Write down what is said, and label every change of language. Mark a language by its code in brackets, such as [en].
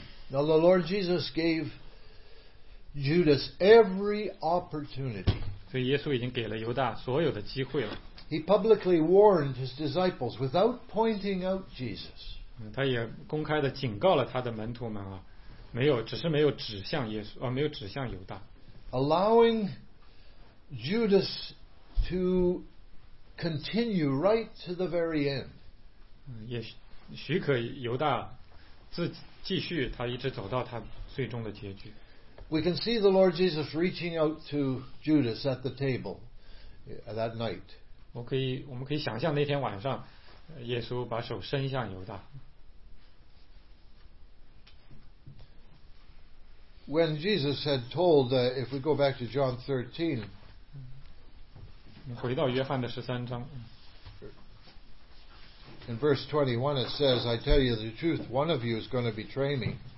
[en] Now the Lord Jesus gave. Judas every opportunity. [zh] 所以耶稣已经给了犹大所有的机会了。 [en] He publicly warned his disciples without pointing out Jesus. [zh] 他也公开的警告了他的门徒们啊，没有指向耶稣，没有指向犹大。 [en] Allowing Judas to continue right to the very end. [zh] 也许可犹大继续，他一直走到他最终的结局。 [en] We can see the Lord Jesus reaching out to Judas at the table that night. [zh] 我们可以想象那天晚上，耶稣把手伸向犹大。 [en] When Jesus had told, if we go back to John 13, [zh] 回到约翰的十三章。 [en] In verse 21 it says, I tell you the truth, one of you is going to betray me.